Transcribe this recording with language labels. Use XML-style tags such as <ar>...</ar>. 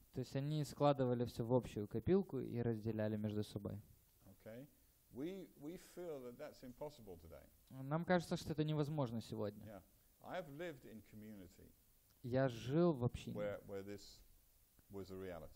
<ru>То есть они складывали все в общую копилку и разделяли между собой.</ru> <en>Okay. We feel that that's impossible today.</en> <ru>Нам кажется, что это невозможно сегодня.</ru> <en>Yeah. I have lived in community.</en> <ru>Я жил в общине,</ru> <en>where this was a reality.</en>